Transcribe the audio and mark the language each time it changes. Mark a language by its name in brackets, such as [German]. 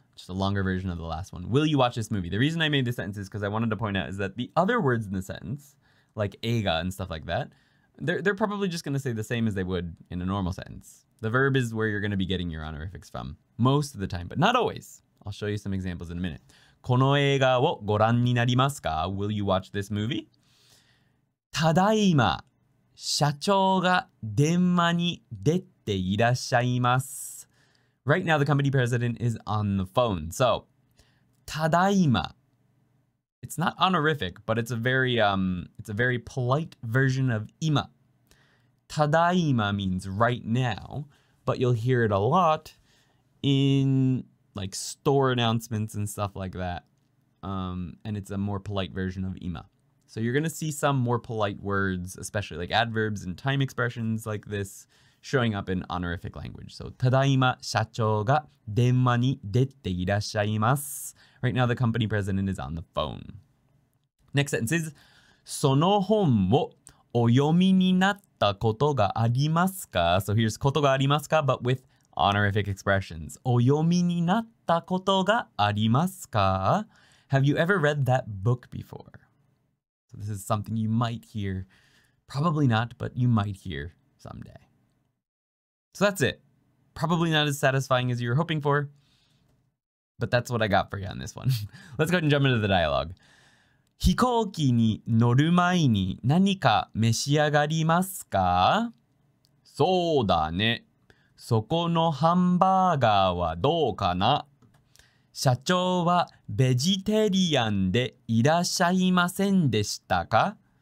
[English] Just a longer version of the last one. Will you watch this movie? The reason I made this sentence is because I wanted to point out is that the other words in the sentence... Like ega and stuff like that, they're probably just going to say the same as they would in a normal sentence. The verb is where you're going to be getting your honorifics from most of the time, but not always. I'll show you some examples in a minute. [Japanese] この映画をご覧になりますか? [English] Will you watch this movie? [Japanese] ただいま、社長が電話に出ていらっしゃいます。 [English] Right now, the company president is on the phone. So, [Japanese] ただいま。 [English] It's not honorific, but it's a very polite version of ima. Tadaima means right now, but you'll hear it a lot in like store announcements and stuff like that. And it's a more polite version of ima. So you're going to see some more polite words, especially like adverbs and time expressions like this, showing up in honorific language. So [Japanese] tadaima, 社長が電話に出ていらっしゃいます。 [English] Right now, the company president is on the phone. Next sentence is, [Japanese] その本をお読みになったことがありますか? [English] So here's [Japanese] ことがありますか? [English] But with honorific expressions. [Japanese] お読みになったことがありますか? [English] Have you ever read that book before? So this is something you might hear. Probably not, but you might hear someday. So that's it. Probably not as satisfying as you were hoping for. But that's what I got for you on this one. Let's go ahead and jump into the dialogue. [Japanese] 飛行機に乗る前に何か召し上がりますか? そうだね。そこのハンバーガーはどうかな? 社長はベジテリアンでいらっしゃいませんでしたか?